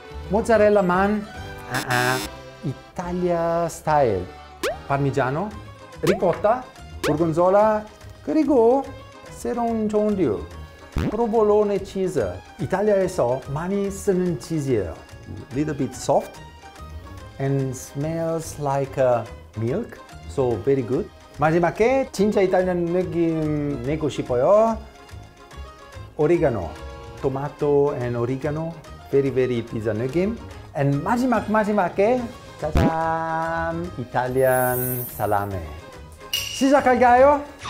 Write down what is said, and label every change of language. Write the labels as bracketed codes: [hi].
[ko] 모짜렐라만 이탈리아 스타일, 파르미지아노, 리코타, 고르곤졸라. 그리고 새로운 종류 프로볼로네 치즈. 이탈리아에서 많이 쓰는 치즈예요. [en] Little bit soft and smells like milk, so very good. [ko] 마지막에 진짜 이탈리안 느낌 내고 싶어요. 오리가노, 토마토 and 오리가노, [en] very very [ko] 피자 느낌. And 마지막에 짜잔, 이탈리안 살라메. 시작할까요?